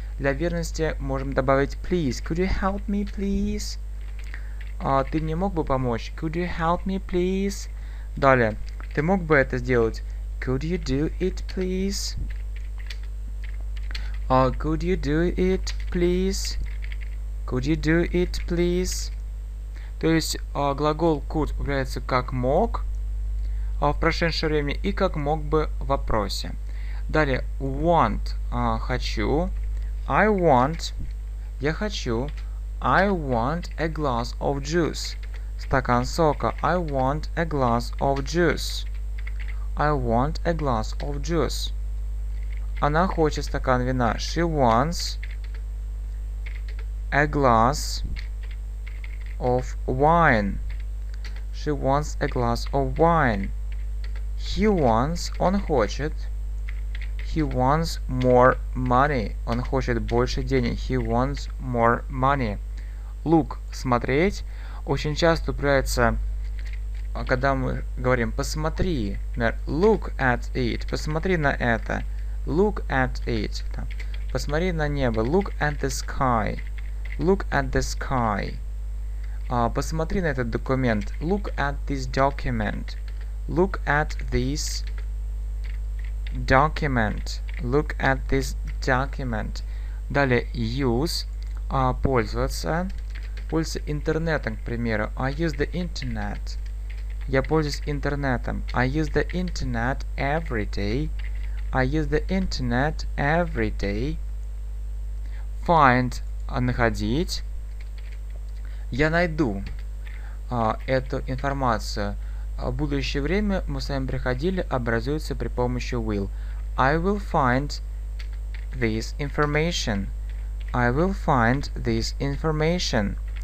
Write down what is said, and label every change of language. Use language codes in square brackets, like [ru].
[ru] Для верности можем добавить please. [en] Could you help me, please? [ru] Ты мне мог бы помочь? [en] Could you help me, please? [ru] Далее. Ты мог бы это сделать? [en] Could you do it, please? Could you do it, please? Could you do it, please? [ru] То есть глагол could является как мог в прошедшее время и как мог бы в вопросе. Далее, [en] want, [ru] хочу, [en] I want, [ru] я хочу, [en] I want a glass of juice, [ru] стакан сока, [en] I want a glass of juice, I want a glass of juice, [ru] она хочет стакан вина, [en] she wants a glass of wine, she wants a glass of wine, he wants, [ru] он хочет, [en] he wants more money. [ru] Он хочет больше денег. [en] He wants more money. [ru] Look, смотреть. Очень часто появляется, когда мы говорим посмотри. Например, [en] look at it. [ru] Посмотри на это. [en] Look at it. [ru] Посмотри на небо. [en] Look at the sky. Look at the sky. [ru] Посмотри на этот документ. [en] Look at this document. Look at this document. Look at this document. [ru] Далее, [en] use. [ru] Пользоваться. Пользоваться интернетом, к примеру. [en] I use the internet. [ru] Я пользуюсь интернетом. [en] I use the internet every day. I use the internet every day. Find. [ru] Находить. Я найду эту информацию. В будущее время мы с вами приходили, образуется при помощи will. [en] I will find this information. I will find this information.